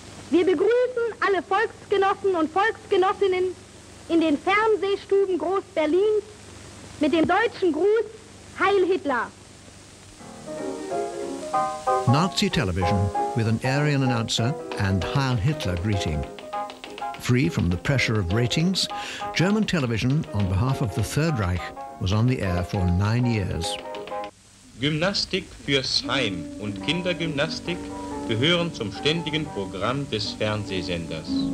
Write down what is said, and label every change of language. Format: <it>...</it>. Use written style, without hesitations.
<de>Wir begrüßen alle Volksgenossen und Volksgenossinnen in den Fernsehstuben Groß-Berlins mit dem deutschen Gruß Heil Hitler.</de> <en>Nazi television with an Aryan announcer and Heil Hitler greeting. Free from the pressure of ratings, German television on behalf of the Third Reich was on the air for 9 years.</en> <de>Gymnastik fürs Heim und Kindergymnastik gehören zum ständigen Programm des Fernsehsenders.</de>